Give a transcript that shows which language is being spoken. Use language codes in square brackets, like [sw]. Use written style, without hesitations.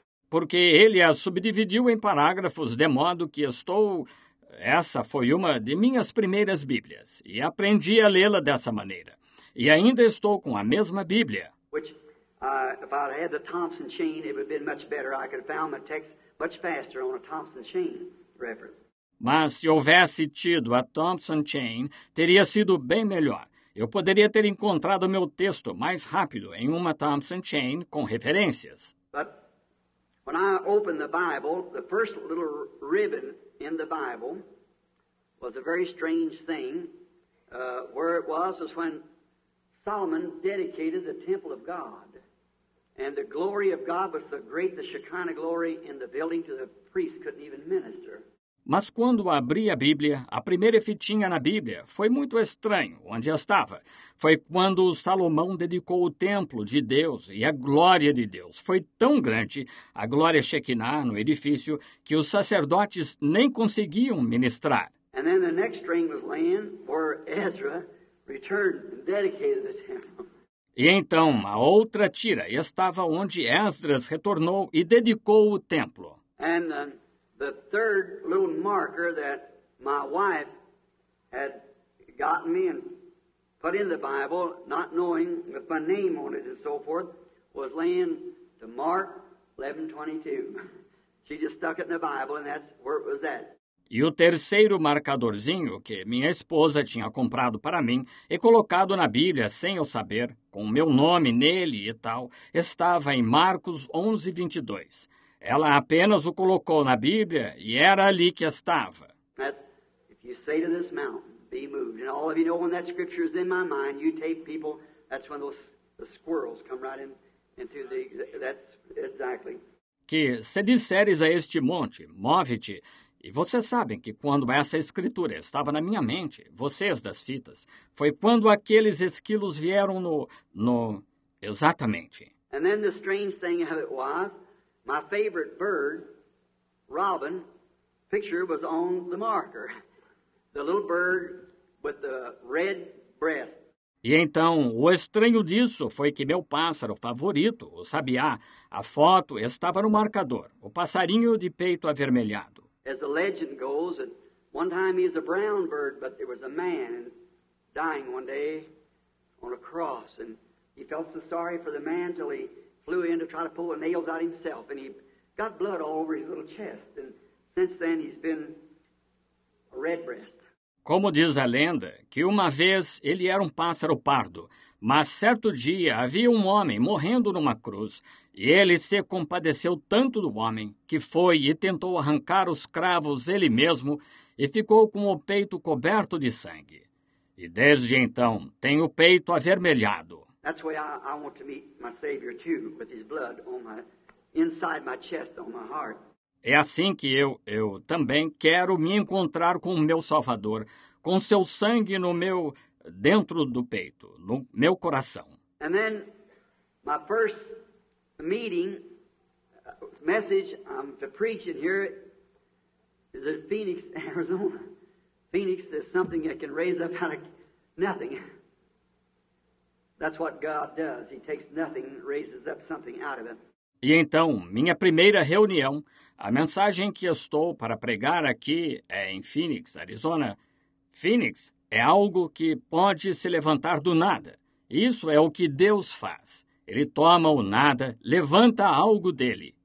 [pt] Porque ele a subdividiu em parágrafos de modo que essa foi uma de minhas primeiras Bíblias, e aprendi a lê-la dessa maneira, e ainda estou com a mesma Bíblia. [en] If I had the Thompson chain, it would have been much better. I could have found my text much faster on a Thompson chain reference. [pt] Mas se houvesse tido a Thompson chain, teria sido bem melhor. Eu poderia ter encontrado meu texto mais rápido em uma Thompson chain com referências. [en] But when I opened the Bible, the first little ribbon in the Bible was a very strange thing. Where it was when Solomon dedicated the temple of God. And the glory of God was so great, the Shekinah glory in the building to the priest couldn't even minister. [pt] Mas quando abri a Bíblia, a primeira fitinha na Bíblia foi muito estranho onde estava. Foi quando Salomão dedicou o templo de Deus e a glória de Deus foi tão grande, a glória Shekinah no edifício, que os sacerdotes nem conseguiam ministrar. [en] And then the next string was laying where Ezra returned and dedicated the temple. [pt] E então, a outra tira estava onde Esdras retornou e dedicou o templo. [en] And the third little marker that my wife had gotten me and put in the Bible, not knowing with my name on it and so forth, was laying to Mark 11:22. She just stuck it in the Bible and that's where it was at. [pt] E o terceiro marcadorzinho que minha esposa tinha comprado para mim e colocado na Bíblia sem eu saber, com meu nome nele e tal, estava em Marcos 11:22. Ela apenas o colocou na Bíblia e era ali que estava. [en] If you say to this mountain, be moved, and all of you know when that scripture is in my mind, you take people, that's when the squirrels come right into the, that's exactly. [pt] Que se disseres a este monte, move-te. E vocês sabem que quando essa escritura estava na minha mente, vocês das fitas, foi quando aqueles esquilos vieram no exatamente. [en] And then the strange thing of it was, my favorite bird, robin, picture was on the marker. The little bird with the red breast. [pt] E então, o estranho disso foi que meu pássaro favorito, o sabiá, a foto estava no marcador, o passarinho de peito avermelhado. [en] As the legend goes, and One time he was a brown bird, but there was a man dying one day on a cross, and he felt so sorry for the man till he flew in to try to pull the nails out himself, and he got blood all over his little chest, and since then he's been a redbreast. [pt] Como diz a lenda, que uma vez ele era um pássaro pardo, mas certo dia havia um homem morrendo numa cruz, e ele se compadeceu tanto do homem, que foi e tentou arrancar os cravos ele mesmo, e ficou com o peito coberto de sangue. E desde então, tem o peito avermelhado. [en] That's why I want to meet my Savior too, with his blood on my, inside my chest, on my heart. [pt] É assim que eu também quero me encontrar com o meu Salvador, com seu sangue no meu, dentro do peito, no meu coração. [en] And then, my first meeting, message I'm to preach in here is in Phoenix, Arizona. Phoenix is something that can raise up out of nothing. That's what God does. He takes nothing and raises up something out of it. [pt] E então, minha primeira reunião, a mensagem que estou para pregar aqui é em Phoenix, Arizona. Phoenix é algo que pode se levantar do nada. Isso é o que Deus faz. Ele toma o nada, levanta algo dele.